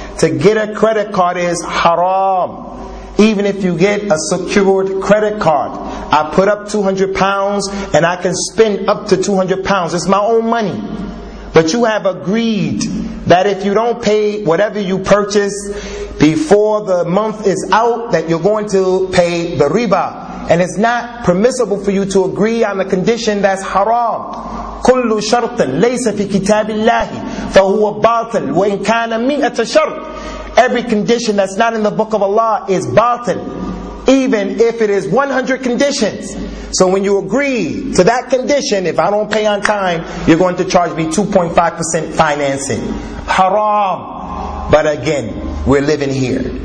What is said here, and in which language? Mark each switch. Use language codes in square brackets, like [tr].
[en] To get a credit card is haram. Even if you get a secured credit card, I put up £200 and I can spend up to £200. It's my own money. But you have agreed that if you don't pay whatever you purchase before the month is out, that you're going to pay the riba. And it's not permissible for you to agree on a condition that's haram. [ar] كل شرط ليس في كتاب الله فهو باطل وإن كان مئة شرط. [en] Every condition that's not in the book of Allah is باطل, even if it is 100 conditions. So when you agree to that condition, if I don't pay on time, you're going to charge me 2.5% financing. Haram. But again, we're living here.